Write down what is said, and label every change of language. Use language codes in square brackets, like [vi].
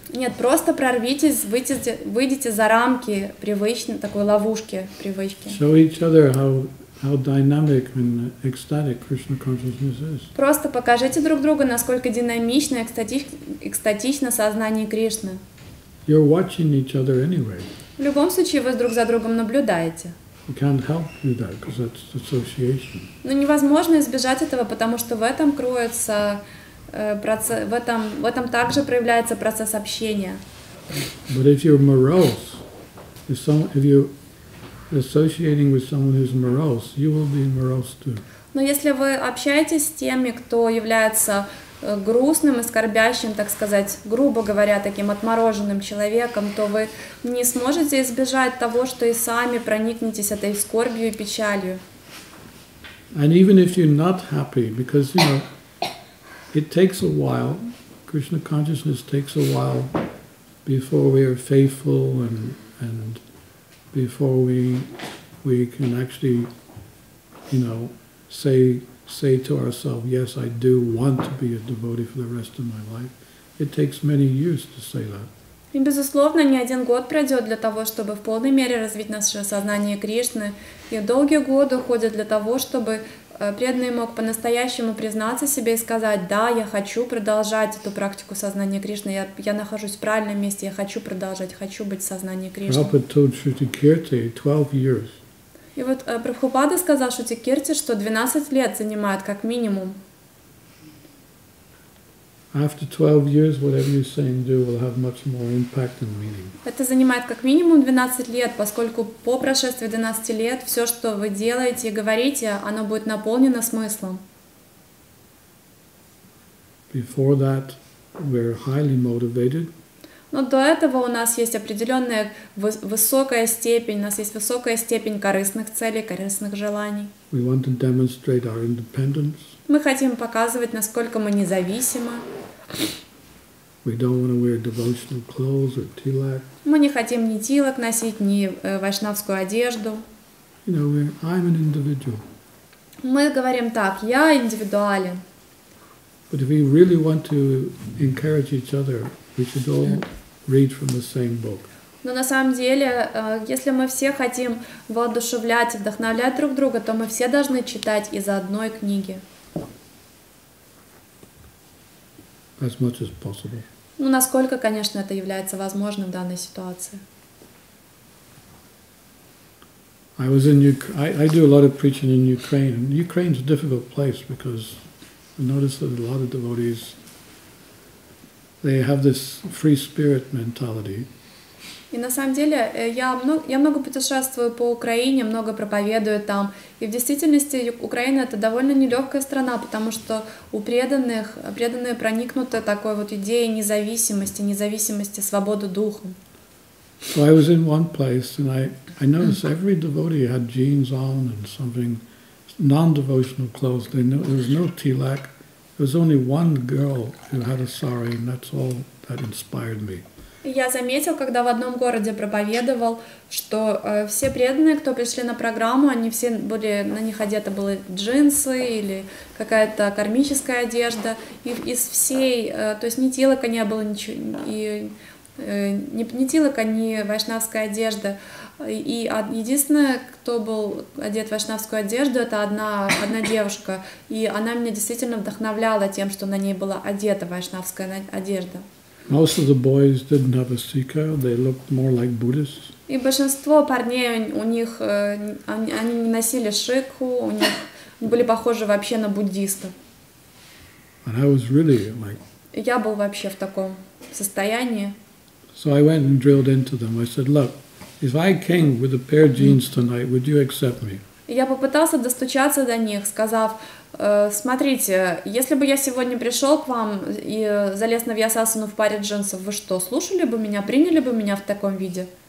[ru] Нет, просто прорвитесь, выйдите за рамки привычной такой ловушки, привычки. [en] Show each other how dynamic and ecstatic Krishna consciousness is. [ru] Просто покажите друг другу, насколько динамично, экстатично сознание Кришны. [en] You're watching each other anyway. [ru] В любом случае вы друг за другом наблюдаете. [en] You can't help you that, because that's association. [ru] Но невозможно избежать этого, потому что в этом кроется в этом также проявляется процесс общения. [en] But if you're morose, if you're associating with someone who's morose, you will be morose too. [ru] Но если вы общаетесь с теми, кто является грустным и скорбящим, так сказать, грубо говоря, таким отмороженным человеком, то вы не сможете избежать того, что и сами проникнетесь этой скорбью и печалью. [en] And even if you're not happy, because you know, it takes a while, Krishna consciousness takes a while before we are faithful and before we can actually, you know, say to ourselves, yes, I do want to be a devotee for the rest of my life. It takes many years to say that. [ru] И безусловно, не один год пройдет для того, чтобы в полной мере развить наше сознание Кришны. И долгие годы уходят для того, чтобы преданный мог по-настоящему признаться себе и сказать, да, я хочу продолжать эту практику сознания Кришны, я нахожусь в правильном месте, я хочу продолжать, хочу быть в сознании Кришны. И вот Прабхупада сказал Шрути Кирти, что 12 лет занимает как минимум. [en] After 12 years, whatever you say and do will have much more impact and meaning. [ru] Это занимает как минимум 12 лет, поскольку по прошествии 12 лет все, что вы делаете и говорите, оно будет наполнено смыслом. [en] Before that, we're highly motivated. [ru] Но до этого у нас есть определенная высокая степень, у нас есть высокая степень корыстных целей, корыстных желаний. [en] We want to demonstrate our independence. [ru] Мы хотим показывать, насколько мы независимы. [en] We don't want to wear devotional clothes or tilak. [ru] Мы не хотим ни тилак носить, ни вайшнавскую одежду. [en] You know, I'm an individual. [ru] Мы говорим так, я индивидуален. [en] But if we really want to encourage each other, we should all read from the same book. [ru] Но на самом деле, если мы все хотим воодушевлять и вдохновлять друг друга, то мы все должны читать из одной книги. [en] As much as possible. [ru] Ну, насколько, конечно, это является возможным в данной ситуации. [en] I was in I do a lot of preaching in Ukraine. And Ukraine's a difficult place because I noticed that a lot of devotees, they have this free spirit mentality. [ru] И на самом деле я много путешествую по Украине, много проповедую там. И в действительности Украина — это довольно нелегкая страна, потому что у преданных, преданные проникнуты такой вот идеей независимости, независимости, свободы духа. [en] So I was in one place and I noticed every devotee had jeans on and something non-devotional clothes. There was no tilak. There was only one girl who had a sari, and that's all that inspired me. [ru] Я заметил, когда в одном городе проповедовал, что все преданные, кто пришли на программу, они все были, на них одеты были джинсы или какая-то кармическая одежда. И из всей, то есть ни тилака не было, ни тилака, ни вайшнавская одежда. И единственное, кто был одет в вайшнавскую одежду, это одна девушка. И она меня действительно вдохновляла тем, что на ней была одета вайшнавская одежда. [en] Most of the boys didn't have a sikha, they looked more like Buddhists. [ru] И большинство парней у них они не носили шикху, у них были похожи вообще на буддистов. [en] And I was really like. [ru] Я был вообще в таком состоянии. [en] So I went and drilled into them. I said, look, if I came with a pair of jeans tonight, would you accept me? [ru] Я попытался достучаться до них, сказав: смотрите, если бы я сегодня пришел к вам и залез на Вьясасану в паре джинсов, вы что, слушали бы меня, приняли бы меня в таком виде?